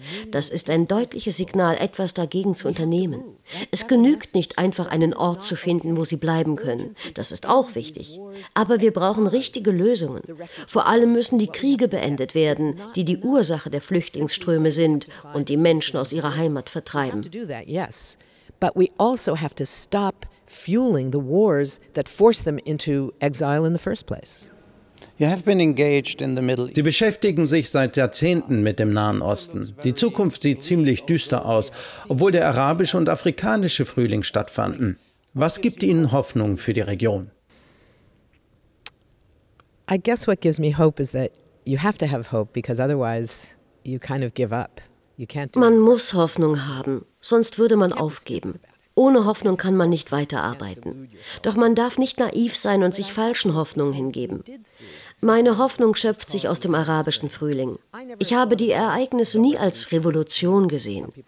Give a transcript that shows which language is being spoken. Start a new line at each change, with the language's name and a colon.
German: Das ist ein deutliches Signal, etwas dagegen zu unternehmen. Es genügt nicht, einfach einen Ort zu finden, wo sie bleiben können. Das ist auch wichtig. Aber wir brauchen richtige Lösungen. Vor allem müssen die Kriege beendet werden, die die Ursache der Flüchtlingsströme sind und die Menschen aus ihrer Heimat vertreiben.
English: But we also have to stop fueling the wars that forced them into exile in the first place. You have been engaged in the Middle East.
German: Sie beschäftigen sich seit Jahrzehnten mit dem Nahen Osten. Die Zukunft sieht ziemlich düster aus, obwohl der arabische und afrikanische Frühling stattfanden. Was gibt Ihnen Hoffnung für die Region?
English: I guess what gives me hope is that you have to have hope, because otherwise you kind of give up.
German: Man muss Hoffnung haben, sonst würde man aufgeben. Ohne Hoffnung kann man nicht weiterarbeiten. Doch man darf nicht naiv sein und sich falschen Hoffnungen hingeben. Meine Hoffnung schöpft sich aus dem arabischen Frühling. Ich habe die Ereignisse nie als Revolution gesehen.